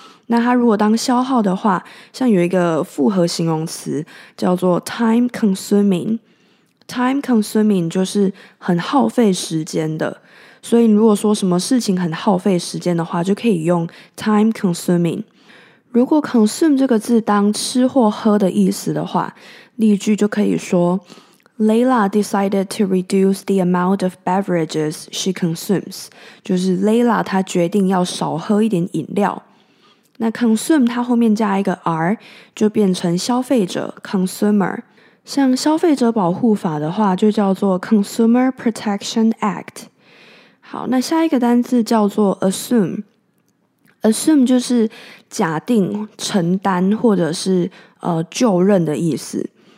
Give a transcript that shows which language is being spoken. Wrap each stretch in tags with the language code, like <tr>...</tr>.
<zh>那它如果当消耗的话，像有一个复合形容词叫做 time consuming。 time consuming 就是很耗费时间的，所以如果说什么事情很耗费时间的话，就可以用 time consuming。如果 consume 这个字当吃或喝的意思的话，例句就可以说</zh> <en>Layla decided to reduce the amount of beverages she consumes.</en> <zh>就是 Layla 她决定要少喝一点饮料。那 consume 它后面加一个 r 就变成消费者 consumer。像消费者保护法的话就叫做 Consumer Protection Act。好，那下一个单字叫做 assume。assume 就是假定承担或者是就任的意思。</zh>